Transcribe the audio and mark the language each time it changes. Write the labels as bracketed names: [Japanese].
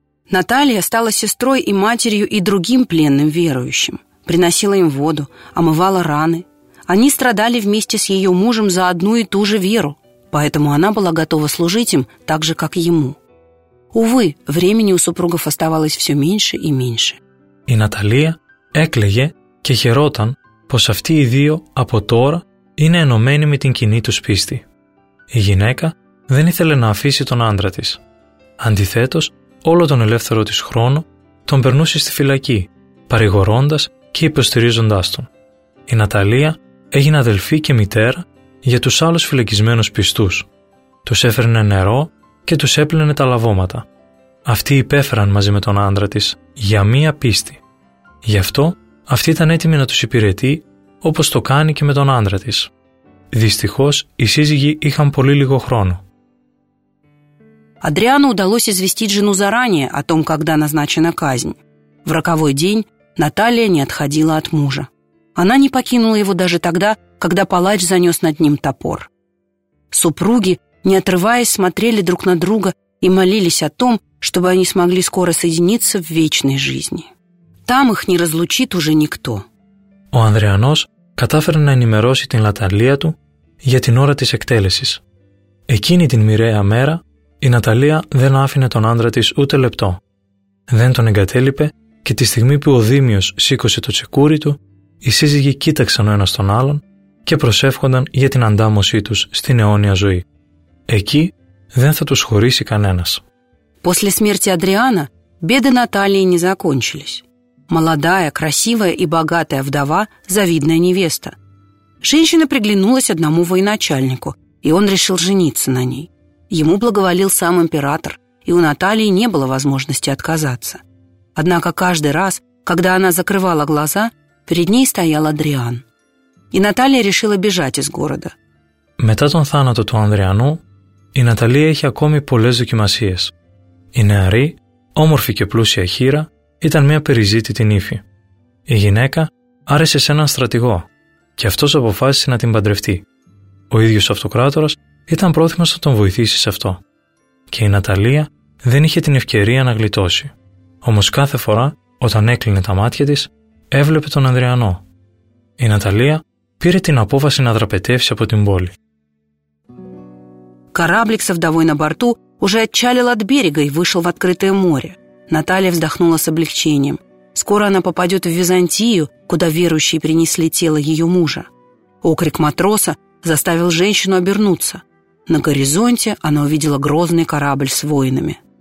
[Russian] Наталья стала сестрой и матерью и другим пленным верующим. Приносила им воду, омывала раны. Они страдали вместе с ее мужем за одну и ту же веру, поэтому она была готова служить им так же, как ему. Увы, времени у супругов оставалось все меньше и меньше. [Greek] И Наталья эклеге και χαιρόταν πως αυτοί οι δύο από τώρα είναι ενωμένοι με την κοινή τους πίστη. Η γυναίκα δεν ήθελε να αφήσει τον άντρα της. Αντιθέτως, όλο τον ελεύθερο της χρόνο τον περνούσε στη φυλακή, παρηγορώντας και υποστηρίζοντάς τον. Η Ναταλία έγινε αδελφή και μητέρα για τους άλλους φυλακισμένους πιστούς. Τους έφερνε νερό και τους έπλαινε τα λαβώματα. Αυτοί υπέφεραν μαζί με τον άντρα της για μία πίστη. Γι' αυτό αυτή ήταν έτοιμη να τους υπηρετεί όπως το κάνει και με τον άντρα της. Δυστυχώς, οι σύζυγοι είχαν πολύ λίγο χρόνο. [Russian] Адриану удалось известить жену заранее о том, когда назначена казнь. В роковой день Наталья не отходила от мужа. Она не покинула его даже тогда, когда палач занес над ним топор. Супруги, не отрываясь, смотрели друг на друга и молились о том, чтобы они смогли скоро соединиться в вечной жизни. Там их не разлучит уже никто. [Greek] Ο Ανδριανός κατάφερε να ενημερώσει την Ναταλία του για την ώρα της εκτέλεσης. Εκείνη την μοιραία μέρα η Ναταλία δεν άφηνε τον άντρα της ούτε λεπτό. Δεν τον εγκατέλειπε και τη στιγμή που ο Δήμιος σήκωσε το τσεκούρι του, οι σύζυγοι κοίταξαν ο ένας τον άλλον και προσεύχονταν για την αντάμωσή τους στην αιώνια ζωή. Εκεί δεν θα τους χωρίσει κανένας. [Russian] После смерти Адриана беды Наталии не закончились. Молодая, красивая и богатая вдова, завидная невеста. Женщина приглянулась одному военачальнику, и он решил жениться на ней. Ему благоволил сам император, и у Натальи не было возможности отказаться. Однако каждый раз, когда она закрывала глаза, перед ней стоял Адриан. И Наталья решила бежать из города. [Greek] Μετά τον θάνατο του Ανδριανού, η Ναταλία είχε ακόμη πολλές δοκιμασίες. Η νεαρή, όμορφη και πλούσια χείρα, ήταν μια περιζήτητη νύφη. Η γυναίκα άρεσε σε έναν στρατηγό και αυτός αποφάσισε να την παντρευτεί. Ο ίδιος ο αυτοκράτορας ήταν πρόθυμος να τον βοηθήσει σε αυτό. Και η Ναταλία δεν είχε την ευκαιρία να γλιτώσει. Όμως κάθε φορά, όταν έκλεινε τα μάτια της, έβλεπε τον Ανδριανό. Η Ναταλία πήρε την απόφαση να δραπετεύσει από την πόλη. [Russian] Κοράμπλι σε вдовой на борту уже отчалил от берега и вышел в открытое море. Наталья вздохнула с облегчением. Скоро она попадет в Византию, куда верующие принесли тело ее мужа. Окрик матроса заставил женщину обернуться. На горизонте она увидела грозный корабль с воинами.